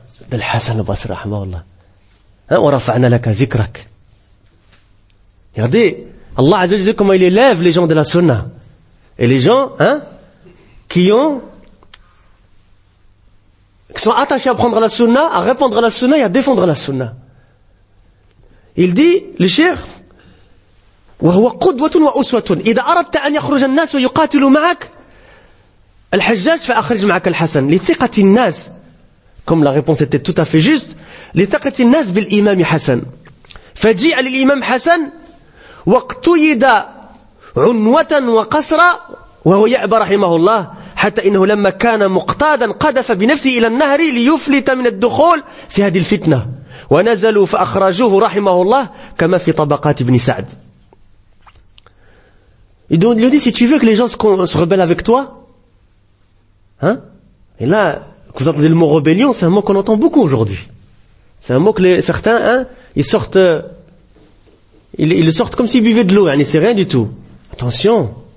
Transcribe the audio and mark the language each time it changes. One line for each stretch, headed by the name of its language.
French: De Hassan al-Basri, rahmatullah. Hein, wa rafa'na laka zikrak. Regardez, Allah azza wa jalla comment il élève les gens de la sunnah. Et les gens, hein, qui sont attachés à prendre la sunna, à répandre la sunna et à défendre la sunna. Il dit, le cheikh,
Arabic: وهو قدوة وأسوة إذا أردت أن يخرج الناس ويقاتلوا معك الحجاج فأخرج معك الحسن لثقة الناس
French: comme la réponse était tout à fait juste
Arabic: لثقة الناس بالإمام حسن فجيء للإمام حسن واقتيد عنوة وقصرة وهو يعبى رحمه الله حتى إنه لما كان مقتادا قدف بنفسه إلى النهر ليفلت من الدخول في هذه الفتنة ونزلوا فأخرجوه رحمه الله كما في طبقات ابن سعد.
French: Il lui dit, si tu veux que les gens se rebellent avec toi, hein? Et là, vous entendez le mot rébellion, c'est un mot qu'on entend beaucoup aujourd'hui. C'est un mot que certains, hein, ils sortent comme s'ils buvaient de l'eau, hein, et c'est rien du tout. Attention.